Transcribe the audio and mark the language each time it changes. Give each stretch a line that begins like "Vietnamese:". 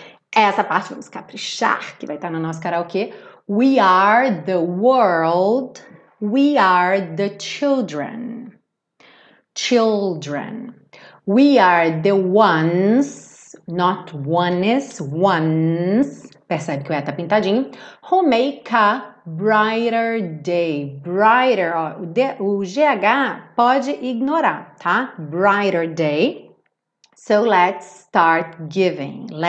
Portuguese: Essa parte vamos caprichar, que vai estar no nosso karaokê.
English: We are the world, we are the children. Children. We are the ones, not ones, ones.
Portuguese: Percebe que o E tá pintadinho.
English: Who make a brighter day.
Portuguese: Brighter, ó, o GH pode ignorar, tá?
English: Brighter day. So let's start giving.